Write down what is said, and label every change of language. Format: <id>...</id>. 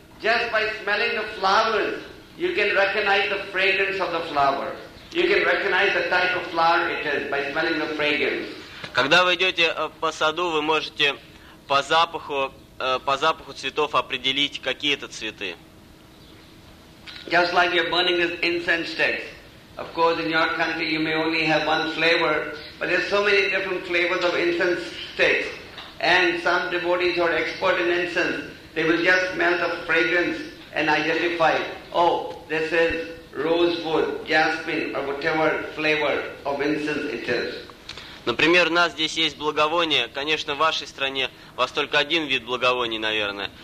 <en>Just by smelling the flowers, you can recognize the fragrance of the flower. You can recognize the type of flower it is by smelling the fragrance.</en> <ru>Когда вы идете по саду, вы можете по запаху цветов определить, какие это цветы.</ru> <en>Just like you're burning this incense sticks. Of course, in your country, you may only have one flavor, but there's so many different flavors of incense sticks. And some devotees who are expert in incense, they will just smell the fragrance and identify, oh, this is rosewood, jasmine, or whatever flavor of incense it is.</en> <ru>Например, у нас здесь есть благовоние. Конечно, в вашей стране у вас только один вид благовоний, наверное.</ru>